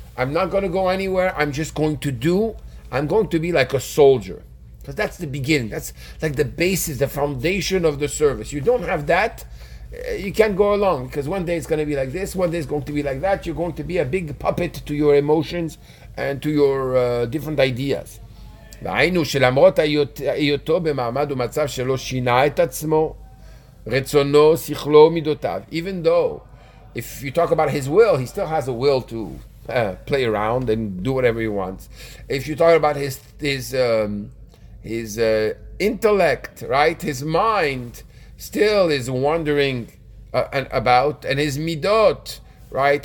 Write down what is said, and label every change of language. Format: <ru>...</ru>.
<en>I'm not going to go anywhere. I'm just going to do. I'm going to be like a soldier. Because that's the beginning. That's like the basis, the foundation of the service. You don't have that, you can't go along. Because one day it's going to be like this. One day it's going to be like that. You're going to be a big puppet to your emotions and to your different ideas.</en> <he>והיינו שלמרות היותו במעמד ומצב שלא שינה את עצמו, רצונו, שכלו, מידותיו.</he> <en>Even though, if you talk about his will, he still has a will to play around and do whatever he wants. If you talk about his intellect, right? His mind still is wandering about, and his midot, right?</en>